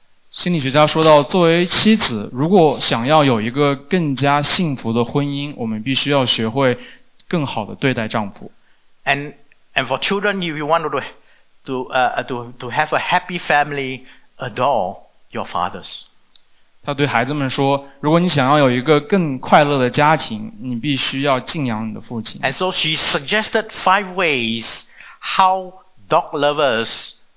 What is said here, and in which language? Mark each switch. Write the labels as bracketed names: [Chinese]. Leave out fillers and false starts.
[Chinese] 心理学家说到，作为妻子，如果想要有一个更加幸福的婚姻，我们必须要学会更好的对待丈夫。 [English] And for children, if you want to have a happy family, adore your fathers. [Chinese] 他对孩子们说，如果你想要有一个更快乐的家庭，你必须要敬仰你的父亲。 [English] And so she suggested five ways how dog lovers